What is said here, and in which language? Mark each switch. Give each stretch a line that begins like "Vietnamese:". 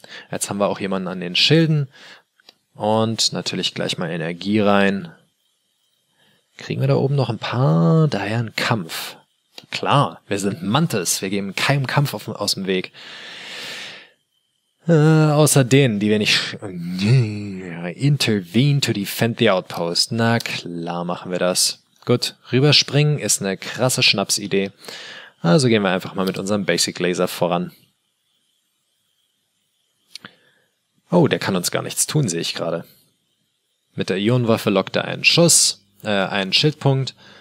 German: Jetzt haben wir auch jemanden an den Schilden. Und natürlich gleich mal Energie rein. Kriegen wir da oben noch ein paar? Daher ein Kampf. Klar, wir sind Mantis. Wir geben keinem Kampf aus dem Weg. Außer denen, die wir nicht...
English: Intervene to defend the outpost.
German: Na klar, machen wir das. Gut, rüberspringen ist eine krasse Schnapsidee. Also gehen wir einfach mal mit unserem Basic Laser voran. Oh, der kann uns gar nichts tun, sehe ich gerade. Mit der Ionenwaffe lockt er einen Schuss, einen Schildpunkt.